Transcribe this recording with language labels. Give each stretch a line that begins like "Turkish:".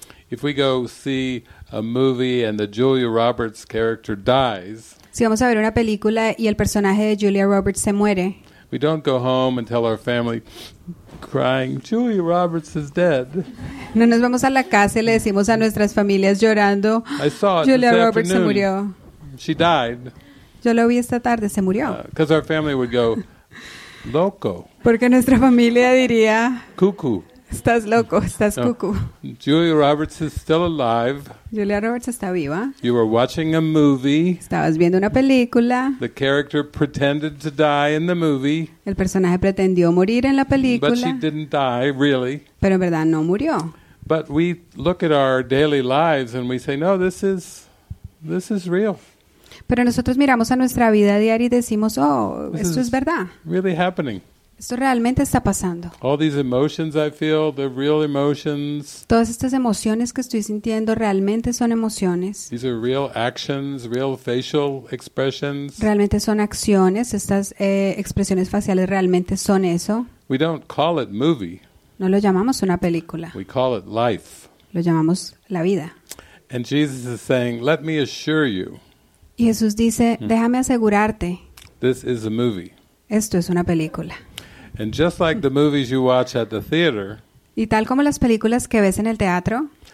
English: If we go see a movie and the Julia Roberts character dies,
Spanish: si vamos a ver una película y el personaje de Julia Roberts se muere,
English: we don't go home and tell our family crying, Julia Roberts is dead.
Spanish: No nos vamos a la casa y le decimos a nuestras familias llorando,
English: I saw it Julia this Roberts afternoon.
Spanish: Se murió.
English: She died.
Spanish: Yo lo vi esta tarde, se murió.
English: Because our family would go loco.
Spanish: Porque nuestra familia diría cucu. Estás loco, estás cucu.
English: Julia Roberts is still alive.
Spanish: Julia Roberts está viva.
English: You were watching a movie.
Spanish: Estabas viendo una película.
English: The character pretended to die in the movie.
Spanish: El personaje pretendió morir en la película.
English: But she didn't die, really.
Spanish: Pero en verdad no murió.
English: But we look at our daily lives and we say, no, this is real.
Spanish: Pero nosotros miramos a nuestra vida diaria y decimos, oh, esto es verdad.
English: Really happening.
Spanish: Esto realmente está pasando.
English: All these emotions I feel, they're real emotions.
Spanish: Todas estas emociones que estoy sintiendo realmente son emociones.
English: These are real actions, real facial expressions.
Spanish: Realmente son acciones. Estas expresiones faciales realmente son eso.
English: We don't call it movie.
Spanish: No lo llamamos una película.
English: We call it life.
Spanish: Lo llamamos la vida.
English: And Jesus is saying, "Let me assure you."
Spanish: Y Jesús dice, déjame asegurarte.
English: This is a movie.
Spanish: Esto es una película.
English: And just like the movies you watch at the theater,
Spanish: y tal como las películas que ves en el teatro,